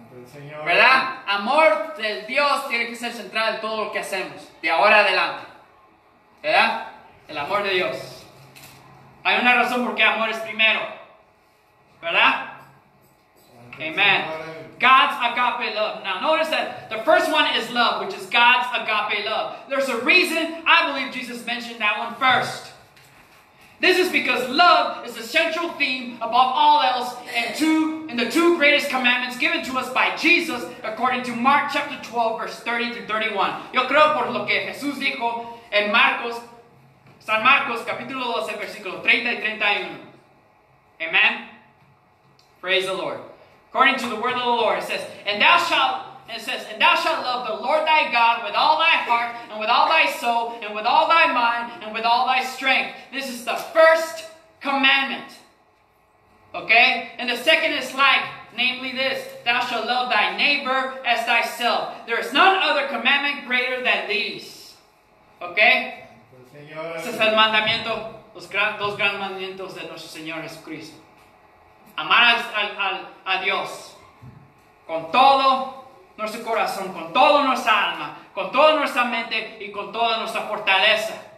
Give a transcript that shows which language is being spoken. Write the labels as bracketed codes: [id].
[es] Señor. ¿Verdad? Amor de Dios tiene que ser central en todo lo que hacemos, de ahora adelante. ¿Verdad? El amor de Dios. Hay una razón por qué amor es primero. ¿Verdad? [en] Amen. God's agape love. Now notice that the first one is love, which is God's agape love. There's a reason I believe Jesus mentioned that one first. This is because love is the central theme above all else in the two greatest commandments given to us by Jesus, according to Mark chapter 12, verse 30 to 31. [es] Yo creo por lo que Jesús dijo en Marcos, San Marcos, capítulo 12, versículo 30 y 31. [en] Amen. Praise the Lord. According to the word of the Lord, it says, and thou shalt love the Lord thy God with all thy heart, and with all thy soul, and with all thy mind, and with all thy strength. This is the first commandment. Okay? And the second is like, namely this, thou shalt love thy neighbor as thyself. There is none other commandment greater than these. Okay? [es] Este es el mandamiento, dos grandes mandamientos de nuestro Señor Jesucristo. Amar a Dios con todo nuestro corazón, con toda nuestra alma, con toda nuestra mente y con toda nuestra fortaleza.